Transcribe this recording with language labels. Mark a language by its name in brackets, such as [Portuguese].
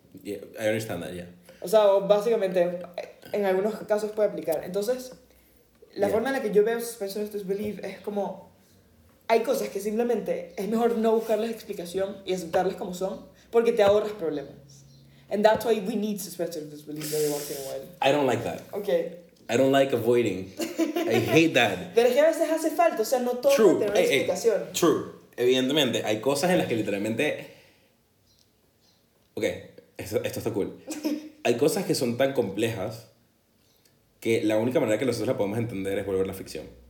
[English] Yeah, I understand that, yeah. [Spanish] O sea, básicamente, en algunos casos puede aplicar. Entonces, la forma en la que yo veo suspension of disbelief es como, hay cosas que simplemente es mejor no buscarles explicación y aceptarles como son, porque te ahorras problemas. [English] And that's why we need suspension of disbelief every once in a while. I don't like that. Okay. I don't like avoiding. I hate that. [Spanish] Pero es que a veces hace falta. O sea, no todo tiene una explicación. True. Evidentemente, hay cosas en las que literalmente... Okay. Esto está cool. Hay cosas que son tan complejas que la única manera que nosotros la podemos entender es volver a la ficción.